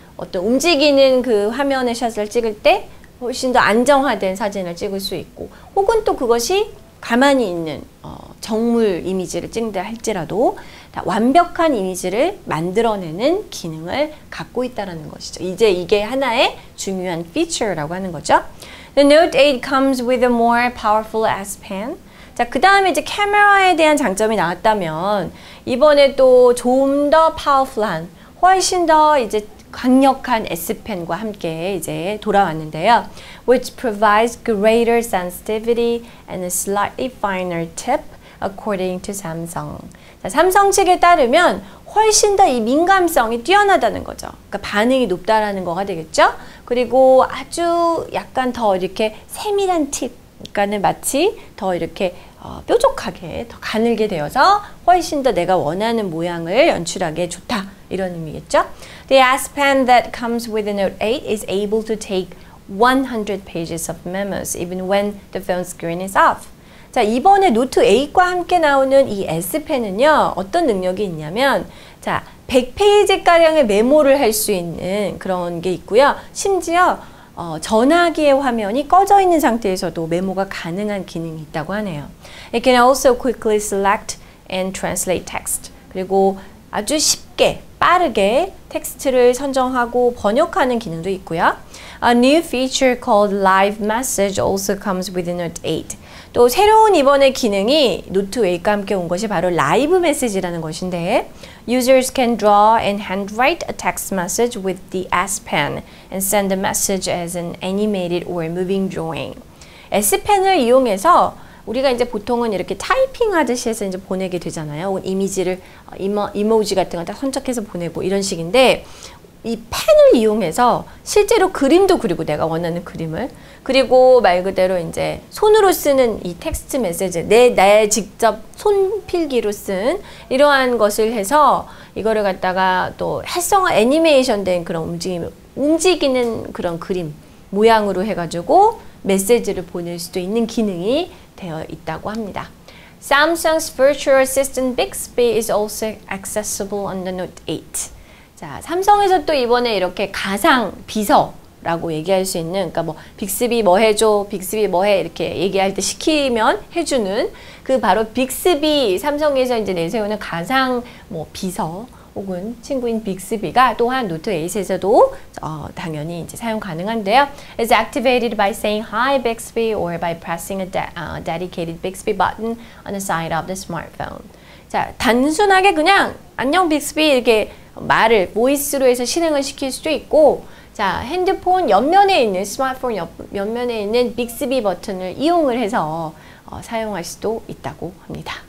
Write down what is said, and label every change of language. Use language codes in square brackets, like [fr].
[ko] 어떤 움직이는 그 화면의 샷을 찍을 때 훨씬 더 안정화된 사진을 찍을 수 있고, 혹은 또 그것이 가만히 있는 정물 이미지를 찍는다 할지라도 다 완벽한 이미지를 만들어내는 기능을 갖고 있다는 것이죠. 이제 이게 하나의 중요한 feature라고 하는 거죠. [en] The Note 8 comes with a more powerful S Pen. [ko] 자, 그 다음에 이제 카메라에 대한 장점이 나왔다면 이번에 또 좀 더 powerful한, 훨씬 더 이제 강력한 S펜과 함께 이제 돌아왔는데요. [en] Which provides greater sensitivity and a slightly finer tip according to Samsung. [ko] 자, 삼성 측에 따르면 훨씬 더 이 민감성이 뛰어나다는 거죠. 그러니까 반응이 높다라는 거가 되겠죠. 그리고 아주 약간 더 이렇게 세밀한 팁, 그러니까는 마치 더 이렇게 뾰족하게 더 가늘게 되어서 훨씬 더 내가 원하는 모양을 연출하기에 좋다, 이런 의미겠죠. [en] The S Pen that comes with the Note 8 is able to take 100 pages of memos even when the phone screen is off. [ko] 자, 이번에 노트 8과 함께 나오는 이 S Pen은요, 어떤 능력이 있냐면, 자, 100페이지 가량의 메모를 할 수 있는 그런 게 있고요. 심지어 전화기의 화면이 꺼져 있는 상태에서도 메모가 가능한 기능이 있다고 하네요. [en] It can also quickly select and translate text. [ko] 그리고 아주 쉽게 빠르게 텍스트를 선정하고 번역하는 기능도 있고요. [en] A new feature called Live Message also comes with the Note 8. [ko] 또 새로운 이번에 기능이 노트 8과 함께 온 것이 바로 라이브 메시지라는 것인데, [en] users can draw and handwrite a text message with the S Pen and send the message as an animated or moving drawing. [ko] S Pen을 이용해서 우리가 이제 보통은 이렇게 타이핑 하듯이 해서 이제 보내게 되잖아요. 이미지를 이모지 같은 걸 다 선택해서 보내고 이런 식인데, 이 펜을 이용해서 실제로 그림도 그리고 내가 원하는 그림을, 그리고 말 그대로 이제 손으로 쓰는 이 텍스트 메시지, 내 직접 손필기로 쓴 이러한 것을 해서 이거를 갖다가 또 활성화 애니메이션 된 그런 움직이는 그런 그림 모양으로 해가지고 메시지를 보낼 수도 있는 기능이 되어 있다고 합니다. [en] Samsung's virtual assistant Bixby is also accessible on the Note 8. [ko] 자, 삼성에서 또 이번에 이렇게 가상 비서라고 얘기할 수 있는, 그러니까 뭐 빅스비 뭐 해줘, 빅스비 뭐해 이렇게 얘기할 때 시키면 해주는 그 바로 빅스비, 삼성에서 이제 내세우는 가상 뭐 비서 혹은 친구인 빅스비가 또한 노트 8에서도 당연히 이제 사용 가능한데요. [en] It's activated by saying hi Bixby or by pressing a dedicated Bixby button on the side of the smartphone. [ko] 자, 단순하게 그냥 안녕 빅스비 이렇게 말을 보이스로 해서 실행을 시킬 수도 있고, 자, 핸드폰 옆면에 있는 스마트폰 옆면에 있는 빅스비 버튼을 이용을 해서 사용할 수도 있다고 합니다.